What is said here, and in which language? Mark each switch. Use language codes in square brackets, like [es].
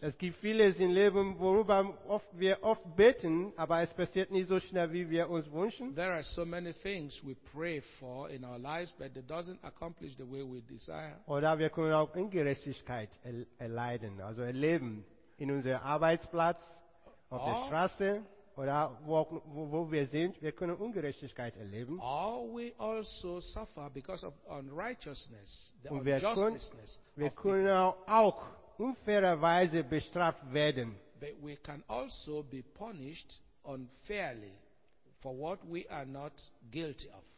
[de] Es gibt vieles im Leben, worüber wir oft beten, aber es passiert nicht so schnell, wie wir uns wünschen. [en] There are so many things we pray for in our lives, but it doesn't accomplish the way we desire. [de] Oder wir können auch Ungerechtigkeit erleiden, also erleben in unserem Arbeitsplatz, auf der Straße. Oder wo wir sind, wir können Ungerechtigkeit erleben. [en] Or we also suffer because of unrighteousness, the unjustness. [de] Wir können auch unfairerweise bestraft werden. [en] But we can also be punished unfairly for what we are not guilty of.